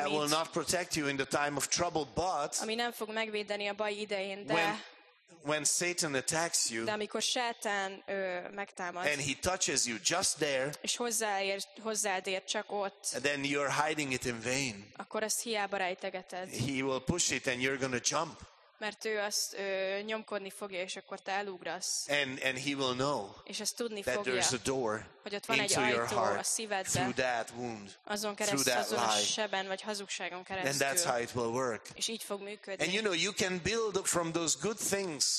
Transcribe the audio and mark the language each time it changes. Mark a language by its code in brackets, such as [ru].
[en] That will not protect you in the time of trouble, but. [hu] Ami nem fog megvédeni a baj idején, de. [en] When Satan attacks you, [hu] de amikor Sátán megtámad, [en] and he touches you just there, [hu] és hozzáér csak ott, [en] then you're hiding it in vain. [hu] Akkor ezt hiába rejtegeted. [en] He will push it, and you're gonna jump. [hu] Mert ő azt nyomkodni fogja, és akkor te elugrasz. [en] And he will know, [hu] és ezt tudni [en] that [hu] fogja, [en] there's a door [hu] hogy ott van egy ajtó a szívedbe, [en] through that wound, [hu] azon keresztül, azon a sebben vagy hazugságon keresztül. [en] And that's how it will work. [hu] És így fog működni. [en] And you know, you can build from those good things,